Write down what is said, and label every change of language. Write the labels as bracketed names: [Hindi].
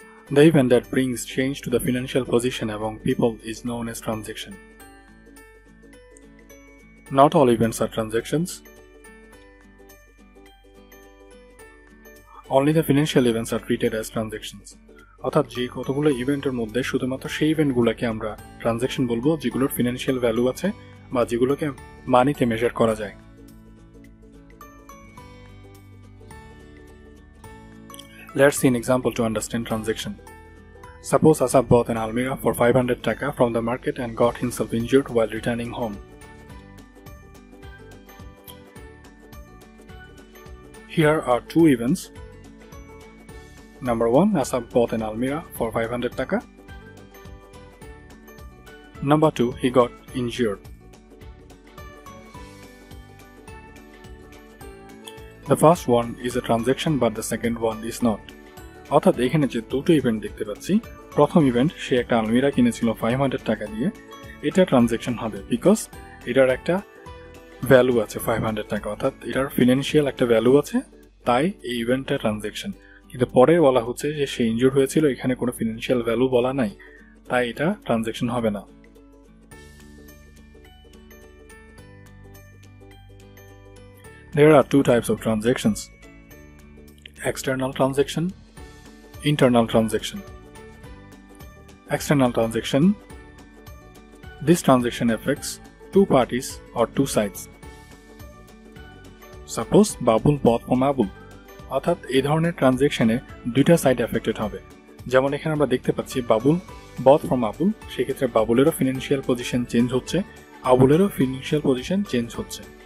[English] The event that brings change to the financial position among people is known as transaction. Not all events are transactions. Only the financial events are treated as transactions. [Bangla] অর্থাৎ যে কতগুলো ইভেন্টের মধ্যে শুধুমাত্র সেই ইভেন্টগুলোকে আমরা transaction বলবো যেগুলোর ফিনান্সিয়াল ভ্যালু আছে বা যেগুলোকে মানিতে মেজার করা যায়। [English] Let's see an example to understand transaction. Suppose Asap bought an almirah for 500 taka from the market and got himself injured while returning home. Here are two events. Number 1, Asap bought an almirah for 500 taka. Number 2, he got injured. The first one is a transaction but the second one is not. [Bangla] অর্থাৎ এখানে যে দুটো event দেখতে পাচ্ছি, প্রথম event সে একটা আলমিরা কিনেছিল 500 টাকা দিয়ে, এটা ট্রানজেকশন হবে বিকজ এটার একটা ভ্যালু আছে 500 টাকা, অর্থাৎ এটার ফিনান্সিয়াল একটা ভ্যালু আছে, তাই এই ইভেন্টটা ট্রানজেকশন। কিন্তু পরে বলা হচ্ছে যে সে ইনজুর হয়েছিল, এখানে কোনো ফিনান্সিয়াল ভ্যালু বলা নাই, তাই এটা ট্রানজেকশন হবে না। [English] There are two types of transactions, external transaction, internal transaction. External transaction, this transaction affects two parties or two sides. Suppose Babul bought from Abul. [Bangla] অর্থাৎ এই ধরনের ট্রানজেকশনে দুইটা সাইড এফেক্টেড হবে, যেমন এখানে আমরা দেখতে পাচ্ছি বাবুল বট ফ্রম আবুল, সেক্ষেত্রে বাবুলেরও ফিনান্সিয়াল পজিশন চেঞ্জ হচ্ছে, আবুলেরও ফিনান্সিয়াল পজিশন চেঞ্জ হচ্ছে।